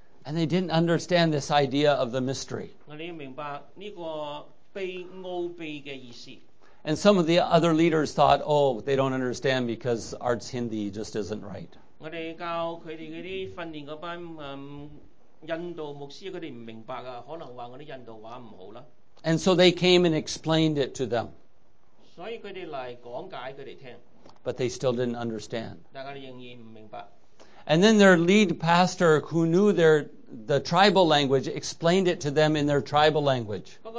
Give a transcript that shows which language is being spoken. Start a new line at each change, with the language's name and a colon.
English: And they didn't understand this idea of the mystery.
Chinese: 你要明白这个被奥秘的意思。
English: And some of the other leaders thought, oh, they don't understand because Arts Hindi just isn't right.
Chinese: 我们教他们那些训练那些印度牧师，他们不明白，可能说我们的印度话不好。
English: And so they came and explained it to them.
Chinese: 所以他们来讲解他们听。
English: But they still didn't understand. And then their lead pastor, who knew the tribal language, explained it to them in their tribal language.